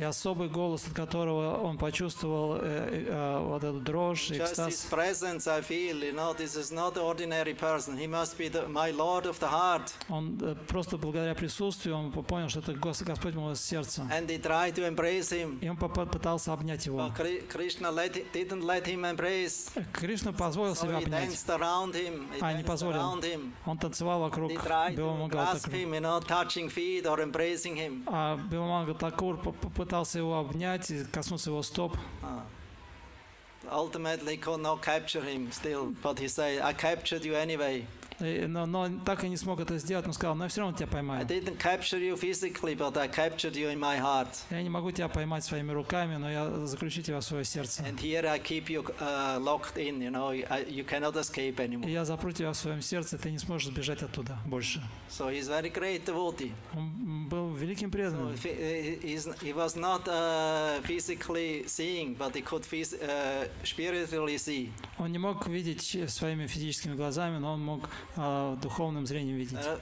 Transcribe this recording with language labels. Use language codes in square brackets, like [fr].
[ru] И особый голос, от которого он почувствовал вот эту дрожь, экстаз. [en] Just his presence I feel, you know, this is not ordinary person. He must be my lord of the heart. [ru] Он просто благодаря присутствию он понял, что это Господь моего сердца. [en] And he tried to embrace him. [ru] И он попытался обнять его. [en] Krishna didn't let him embrace. [ru] Кришна позволил себя обнять. Не позволил. Он танцевал вокруг Bilba Mangala. Bilba Mangala Thakur попытался его обнять и коснуться его стоп. [en] Ultimately could not capture him still, but he said, I captured you anyway. [ru] Но так и не смог это сделать, но сказал, но я все равно тебя поймаю. [en] I didn't capture you physically, but I captured you in my heart. [ru] Я не могу тебя поймать своими руками, но я заключу тебя в свое сердце. [en] And here I keep you locked in, you know, you cannot escape anymore. [ru] И я запру тебя в своем сердце, ты не сможешь сбежать оттуда больше. [en] So he's very great devotee. [ru] Он был великим преданным. [en] He was not physically seeing, but he could spiritually see. [ru] Он не мог видеть своими физическими глазами, но он мог духовным зрением видеть.